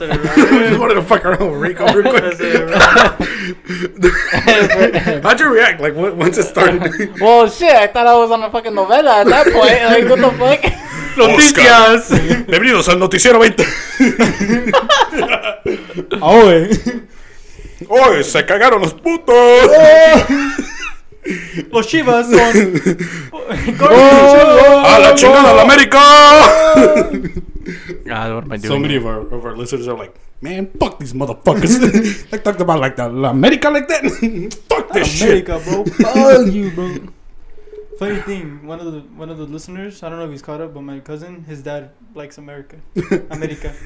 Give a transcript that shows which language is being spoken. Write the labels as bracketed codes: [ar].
[en] We're just wanted to fuck around with Rico real quick. How'd you react? Like, once it started? Well, shit, I thought I was on a fucking novella at that point. Like, what the fuck? [es] Noticias. Bienvenidos al Noticiero 20. Oye. Oye, se cagaron los putos. Los Chivas son. ¡A la chingada la América! [en] God, what am I doing? So many of our listeners are like, man, fuck these motherfuckers. They talked about like that. La América like that? Fuck this America, shit. America, bro. Fuck you, bro. Funny thing, one of the listeners, I don't know if he's caught up, but my cousin, his dad likes America. America.